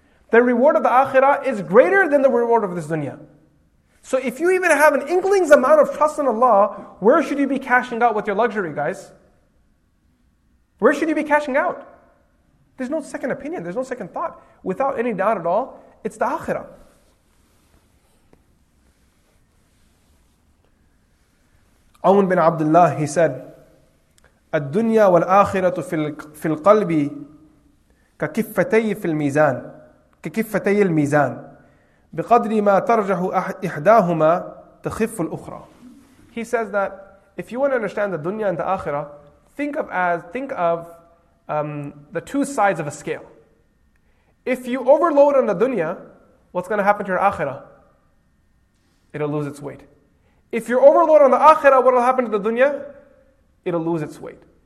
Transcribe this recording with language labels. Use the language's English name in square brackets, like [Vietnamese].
[English] The reward of the Akhirah is greater than the reward of this dunya. So if you even have an inkling's amount of trust in Allah, where should you be cashing out with your luxury, guys? Where should you be cashing out? There's no second opinion. There's no second thought. Without any doubt at all, it's the Akhirah. Awn bin Abdullah, he said, [Arabic] الدُّنْيَا وَالْآخِرَةُ فِي الْقَلْبِ كَكِفَّتَيِّ فِي الْمِيزَانِ كَكِفَّتَيِّ الْمِيزَانِ بِقَدْرِ مَا تَرْجَحُ إِحْدَاهُمَا تَخِفُّ الْأُخْرَى [English] He says that if you want to understand the dunya and the akhirah, think of the two sides of a scale. If you overload on the dunya, what's going to happen to your akhirah? It'll lose its weight. If you overload on the akhirah, what will happen to the dunya? It'll lose its weight.